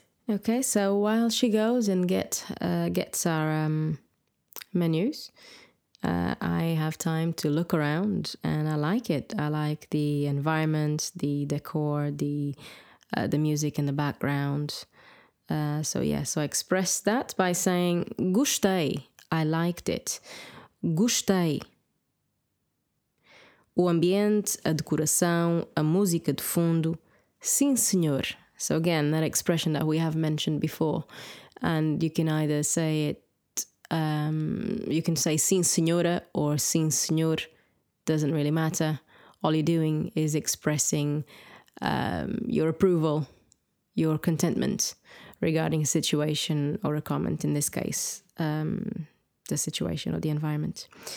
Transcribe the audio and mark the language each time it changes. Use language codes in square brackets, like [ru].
[en] Okay, so while she goes and gets our menus, I have time to look around and I like it. I like the environment, the decor, the music in the background. So I express that by saying, gostei, I liked it. Gostei. [pt] O ambiente, a decoração, a música de fundo, sim, senhor. [en] So again, that expression that we have mentioned before, and you can either say it, you can say sim senhora or sim senhor, doesn't really matter, all you're doing is expressing your approval, your contentment regarding a situation or a comment, in this case, the situation or the environment.